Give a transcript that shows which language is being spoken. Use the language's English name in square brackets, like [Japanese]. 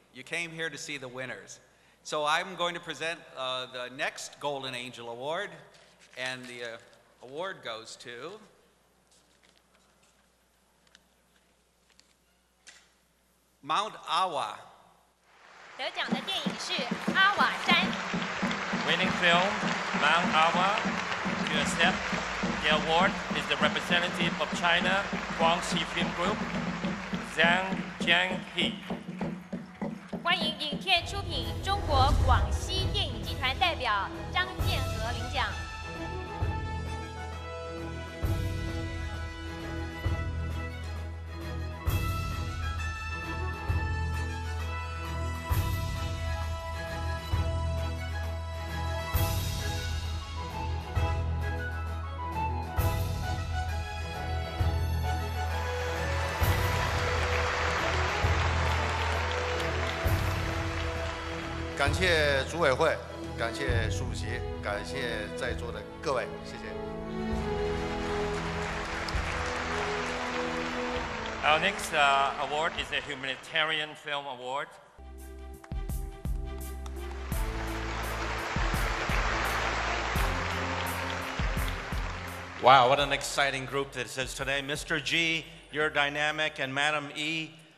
[English] You came here to see the winners. So I'm going to present the next Golden Angel Award, and the award goes to Mount Awa. [Chinese] 得奖的电影是《阿瓦山》。 [English] Winning film, Mount Awa, to accept the award is the representative of China, Guangxi Film Group, Zhang Jianghe. [Chinese] 欢迎影片出品中国广西电影集团代表张建和领奖。感谢组委会，感谢书记，感谢在座的各位，谢谢。 [English] Our next award is a humanitarian film award. 哇 what an exciting group that says today, Mr. G, you're dynamic, and Madam E.